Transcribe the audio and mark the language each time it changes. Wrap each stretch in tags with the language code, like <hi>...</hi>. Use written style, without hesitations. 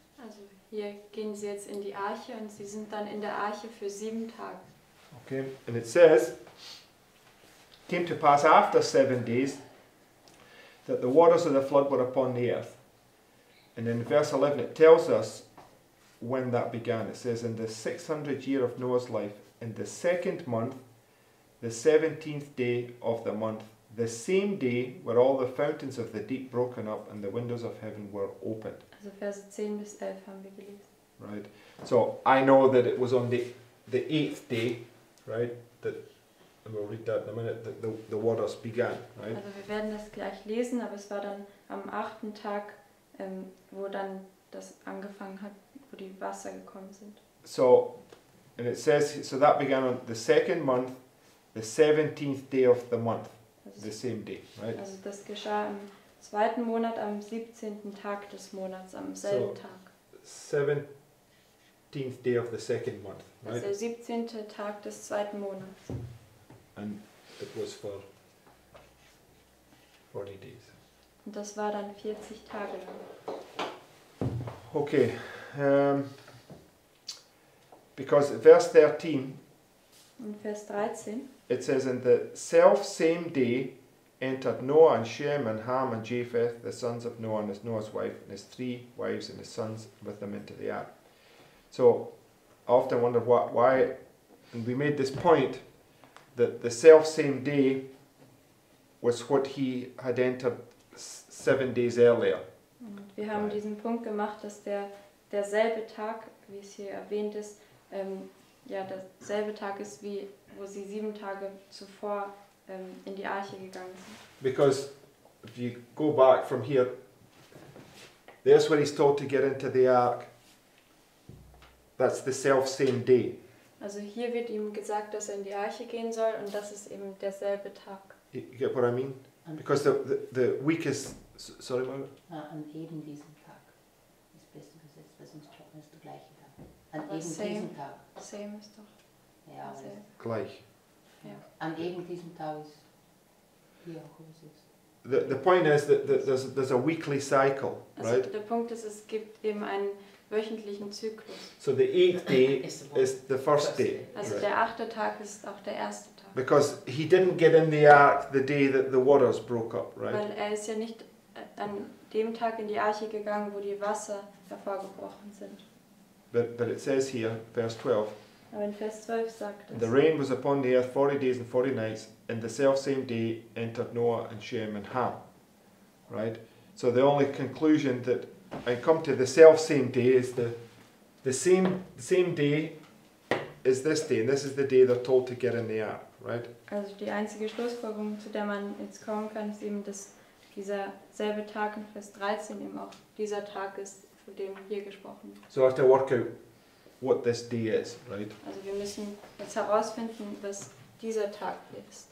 <de>Also hier gehen sie jetzt in die Arche und sie sind dann in der Arche für 7 Tage.</de> <en>Okay, and it says, came to pass after 7 days that the waters of the flood were upon the earth. And in verse 11 it tells us when that began. It says, in the 600th year of Noah's life, in the second month, the 17th day of the month, the same day where all the fountains of the deep broken up and the windows of heaven were opened.</en> <de>Also Verse 10 bis 11 haben wir gelesen.</de> <en>Right. So I know that it was on the 8th day, right, that, and we'll read that in a minute, that the waters began, right?</en> <de>Also wir werden das gleich lesen, aber es war dann am 8. Tag, wo dann das angefangen hat, wo die Wasser gekommen sind.</de> <en>So, and it says, so that began on the second month, the 17th day of the month, also the same day, right?</en> <de>Also das geschah im zweiten Monat, am 17. Tag des Monats, am selben Tag.</de> <en>17th day of the second month, right?</en> <de>Also der 17. Tag des zweiten Monats.</de> <en>And it was for 40 days.</en> <de>Und das war dann 40 Tage lang.</de> <en>Okay, because verse 13,</en> <de>in Vers 13,</de> <en>it says, in the self same day entered Noah and Shem and Ham and Japheth, the sons of Noah and his Noah's wife, and his three wives and his sons with them into the ark. So I often wonder why, and we made this point, that the self same day was what he had entered 7 days earlier.</en> <de>Und wir haben diesen Punkt gemacht, dass derselbe Tag, wie es hier erwähnt ist, derselbe Tag ist, wie wo sie 7 Tage zuvor in die Arche gegangen sind.</de> <en>Because if you go back from here, there's where he's told to get into the ark. That's the self same day.</en> <de>Also hier wird ihm gesagt, dass er in die Arche gehen soll, und das ist eben derselbe Tag.</de> <en>You get what I mean? Because the weakest. Sorry, Margaret?</en> <de>An eben diesem Tag ist besser gesetzt, weil sonst trocken ist der gleiche Tag. An aber eben same, diesem Tag. Same ist doch. Ja, same. Gleich. Ja. An eben diesem Tag ist hier auch gesetzt.</de> <en>The point is that there's a weekly cycle, right?</en> <de>Also der Punkt ist, es gibt eben einen wöchentlichen Zyklus.</de> <en>So the eighth day is the first day.</en> <de>Also</de> <en>right.</en> <de>Der 8. Tag ist auch der erste.</de> <en>Because he didn't get in the ark the day that the waters broke up, right?</en> <de>Weil er ist ja nicht an dem Tag in die Arche gegangen, wo die Wasser hervorgebrochen sind.</de> <en>But it says here, verse 12.</en> <de>Aber in Vers 12 sagt es.</de> <en>The rain was upon the earth 40 days and 40 nights, and the selfsame day entered Noah and Shem and Ham. Right? So the only conclusion that I come to, the selfsame day, is the same day is this day, and this is the day they're told to get in the ark. Right?</en> <de>Also die einzige Schlussfolgerung, zu der man jetzt kommen kann, ist eben, dass dieser selbe Tag in Vers 13 eben auch dieser Tag ist, von dem hier gesprochen wird.</de> <en>So I have to work out what this day is, right?</en> <de>Also wir müssen jetzt herausfinden, was dieser Tag ist.</de>